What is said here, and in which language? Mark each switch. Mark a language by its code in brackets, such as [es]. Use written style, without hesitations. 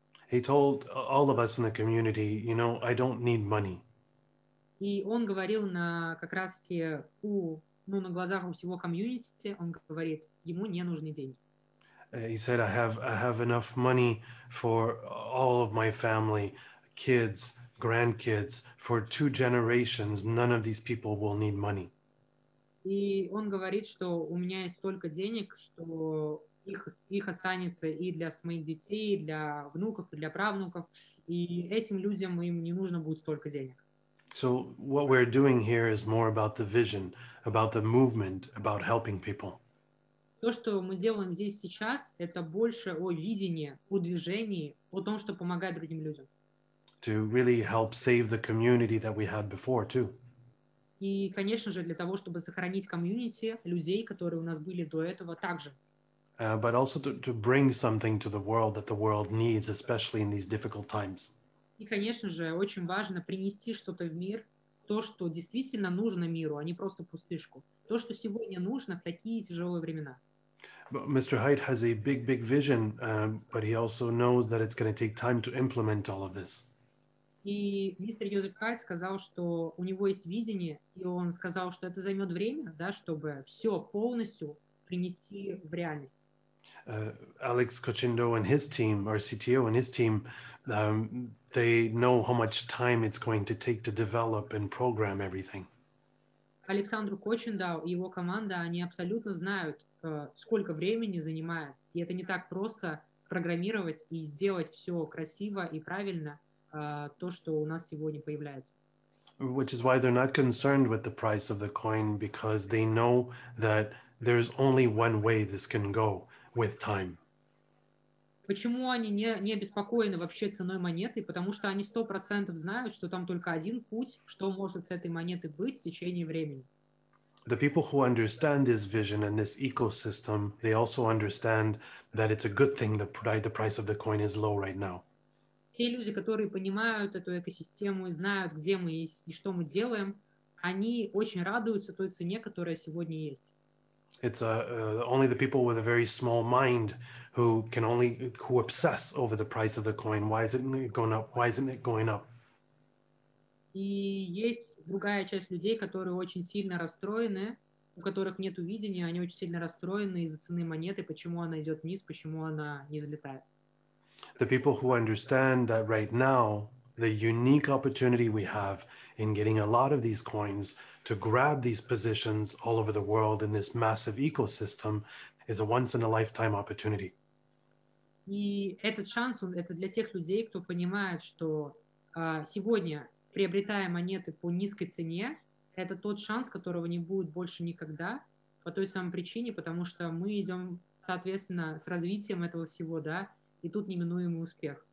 [en] He told all of us in the community, you know, I don't need money. [ru] И он говорил на как раз таки у, ну, на глазах у всего комьюнити, он говорит, ему не нужны деньги. [en] He said, I have enough money for all of my family, kids, grandkids, for two generations, none of these people will need money. [ru] И он говорит, что у меня есть столько денег, что их останется и для моих детей, и для внуков, и для правнуков, и этим людям им не нужно будет столько денег. [en] So what we're doing here is more about the vision, about the movement, about helping people. [ru] То, что мы делаем здесь сейчас, это больше о видении, о движении, о том, чтобы помогать другим людям. [en] To really help save the community that we had before, too. [ru] И, конечно же, для того, чтобы сохранить комьюнити людей, которые у нас были до этого, также. [en] But also to bring something to the world that the world needs, especially in these difficult times. [ru] И, конечно же, очень важно принести что-то в мир, то, что действительно нужно миру, а не просто пустышку. То, что сегодня нужно в такие тяжелые времена. [en] Mr. Hyde has a big, big vision, but he also knows that it's going to take time to implement all of this. [ru] И мистер Йозеп Хайт сказал, что у него есть видение, и он сказал, что это займет время, да, чтобы все полностью принести в реальность. [en] Alex Cochindo and his team, our CTO and his team, they know how much time it's going to take to develop and program everything. [ru] Александру Кочиндау и его команда, они абсолютно знают, сколько времени занимает. И это не так просто спрограммировать и сделать все красиво и правильно, то, что у нас сегодня появляется. [en] Which is why they're not concerned with the price of the coin, because they know that there's only one way this can go with time. [ru] Почему они не обеспокоены вообще ценой монеты? Потому что они 100% знают, что там только один путь, что может с этой монетой быть в течение времени. [en] The people who understand this vision and this ecosystem, they also understand that it's a good thing that the price of the coin is low right now. [ru] Те люди, которые понимают эту экосистему и знают, где мы есть и что мы делаем, они очень радуются той цене, которая сегодня есть. [en] It's only the people with a very small mind who obsess over the price of the coin. Why isn't it going up? Why isn't it going up? [ru] И есть другая часть людей, которые очень сильно расстроены, у которых нет видения, они очень сильно расстроены из-за цены монеты, почему она идет вниз, почему она не взлетает. [en] The people who understand that right now, the unique opportunity we have in getting a lot of these coins to grab these positions all over the world in this massive ecosystem is a once-in-a-lifetime opportunity. [ru] И этот шанс, это для тех людей, кто понимает, что сегодня, приобретая монеты по низкой цене, это тот шанс, которого не будет больше никогда, по той самой причине, потому что мы идем, соответственно, с развитием этого всего, да, и тут неминуемый успех.